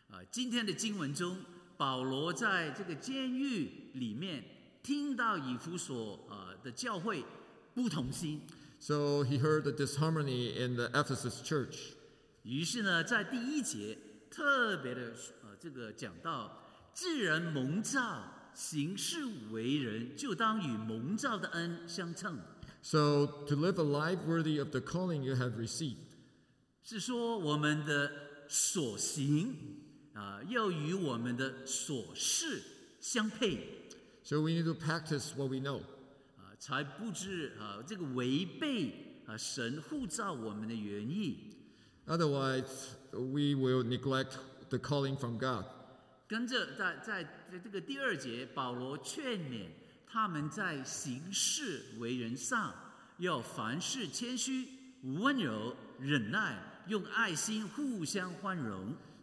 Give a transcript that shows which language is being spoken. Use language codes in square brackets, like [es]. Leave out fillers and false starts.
[zh] 今天的经文中，保罗在这个监狱里面听到以弗所的教会不同心。 [en] So he heard the disharmony in the Ephesus church. [zh] 于是呢，在第一节特别的这个讲到，既然蒙召行事为人，就当与蒙召的恩相称。 [en] So to live a life worthy of the calling you have received. [zh] 是说我们的所行要与我们的所事相配。 [en] So we need to practice what we know. [zh] 才不知这个违背神呼召我们的原意。 [en] Otherwise, we will neglect the calling from God. [zh] 跟着 在这个第二节，保罗劝勉他们在行事为人上，要凡事谦虚、温柔、忍耐，用爱心互相宽容。